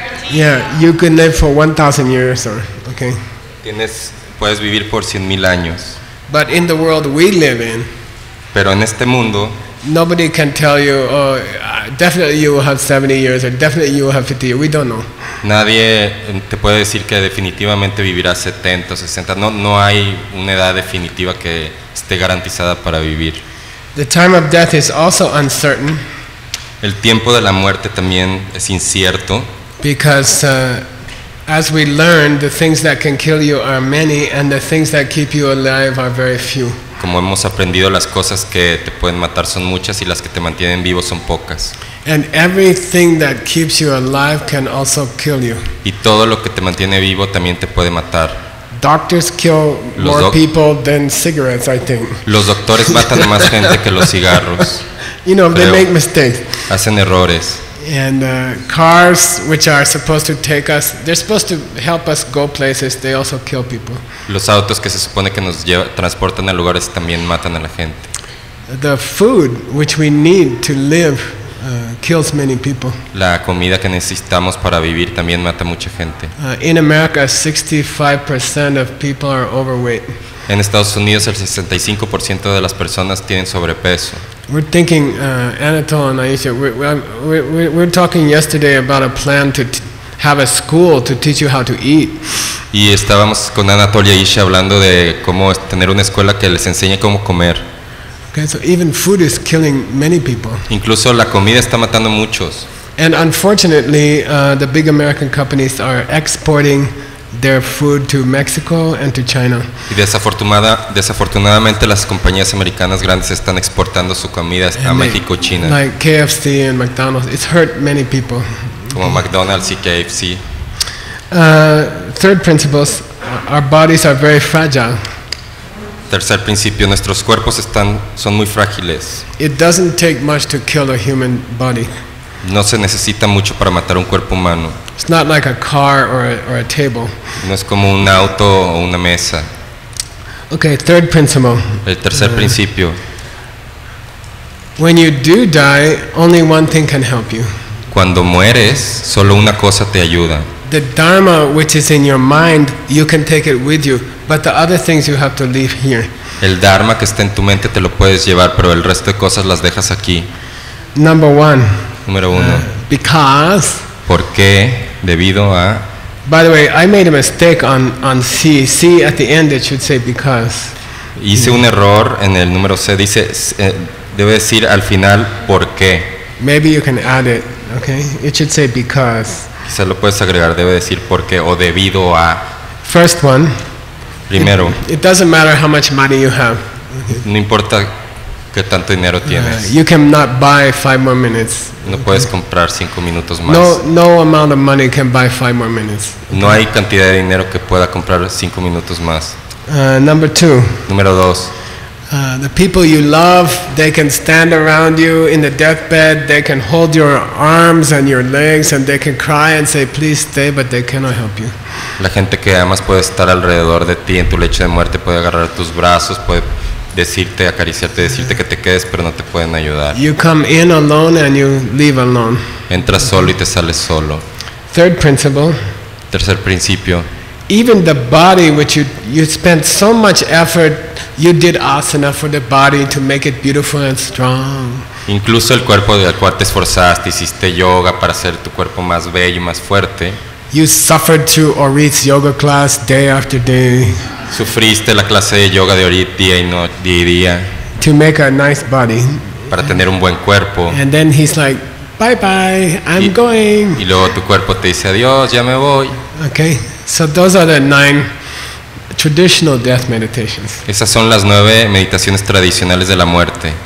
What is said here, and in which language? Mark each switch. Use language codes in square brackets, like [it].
[en] Yeah, you can live for 1,000 years or okay. [es] Puedes vivir por 100,000 años. [en] But in the world we live in. [es] Pero en este mundo. [en] Nobody can tell you, oh, definitely you will have 70 years or definitely you will have 50 years. We don't know. [es] Nadie te puede decir que definitivamente vivirás 70 o 60. No, no hay una edad definitiva que esté garantizada para vivir. [en] The time of death is also uncertain. [es] El tiempo de la muerte también es incierto. [en] Because as we learn, the things that can kill you are many and the things that keep you alive are very few. [es] Como hemos aprendido, las cosas que te pueden matar son muchas y las que te mantienen vivo son pocas. [en] And everything that keeps you alive can also kill you. [es] Y todo lo que te mantiene vivo también te puede matar. [en] Doctors kill more people than cigarettes, I think. [es] Los doctores matan más gente que los cigarros. [en] You know, they make mistakes. [es] Hacen errores. [en] And cars, which are supposed to take us, they're supposed to help us go places, they also kill people. [es] Los autos que se supone que nos llevan, transportan a lugares, también matan a la gente. [en] The food which we need to live kills many people. [es] La comida que necesitamos para vivir también mata mucha gente. [en] In America, 65% of people are overweight. [es] En Estados Unidos, el 65% de las personas tienen sobrepeso. [en] We're thinking, Anatole and Aisha, we're talking yesterday about a plan to have a school to teach you how to eat. [es] Y estábamos con Anatole y Aisha hablando de cómo tener una escuela que les enseñe cómo comer. [en] Okay, so even food is killing many people. [es] Incluso la comida está matando muchos. [en] And unfortunately, the big American companies are exporting their food to Mexico and to China. [es] Y desafortunadamente las compañías americanas grandes están exportando su comida a México, China. [en] Like KFC and McDonald's, it's hurt many people. [es] Como McDonald's y KFC. [en] Third principles, our bodies are very fragile. [es] Tercer principio, nuestros cuerpos son muy frágiles. [en] It doesn't take much to kill a human body. [es] No se necesita mucho para matar un cuerpo humano. [en] It's not like a car or a table. [es] No es como un auto o una mesa. [en] Okay, third principle. [es] El tercer principio. [en] When you do die, only one thing can help you. [es] Cuando mueres, solo una cosa te ayuda. [en] The dharma which is in your mind, you can take it with you, but the other things you have to leave here. [es] El dharma que está en tu mente te lo puedes llevar, pero el resto de cosas las dejas aquí. [en] Number one. [es] Número uno. [en] Because. [es] Porque, debido a. [en] By the way, I made a mistake on C. C at the end it should say because. [es] Hice un error en el número C. Dice debe decir al final por qué. [en] Maybe you can add it. Okay, it should say because. [es] Quizá lo puedes agregar, debe decir porque o debido a. [en] First one. [es] Primero. [en] It doesn't matter how much money you have. [es] No importa qué tanto dinero tienes. [en] You cannot buy 5 more minutes. [es] No puedes comprar 5 minutos más. [en] No amount of money can buy 5 more minutes. [es] No hay cantidad de dinero que pueda comprar 5 minutos más. [en] Number two. [es] Número dos. [en] The people you love, they can stand around you in the deathbed, they can hold your arms and your legs and they can cry and say please stay, but they cannot help you. [es] La gente que amas puede estar alrededor de ti en tu lecho de muerte, puede agarrar tus brazos, puede decirte, acariciarte, decirte que te quedes, pero no te pueden ayudar. [en] You come in alone and you leave alone. [es] Entras solo y te sales solo. [en] Third principle. [es] Tercer principio. [en] Even the body which you spent so much effort, you did asana for the body to make it beautiful and strong. [es] Incluso el cuerpo del cual te esforzaste, hiciste yoga para hacer tu cuerpo más bello y más fuerte. [en] You suffered through Orit's yoga class day after day. [es] Sufriste la clase de yoga de Orit día y noche, día y día. [en] To make a nice body. [es] Para tener un buen cuerpo. [en] And then he's like, bye bye, I'm going. [es] Y luego tu cuerpo te dice adiós, ya me voy. [en] Okay. So those are the 9 traditional death meditations. [es] Esas son las 9 meditaciones tradicionales de la muerte.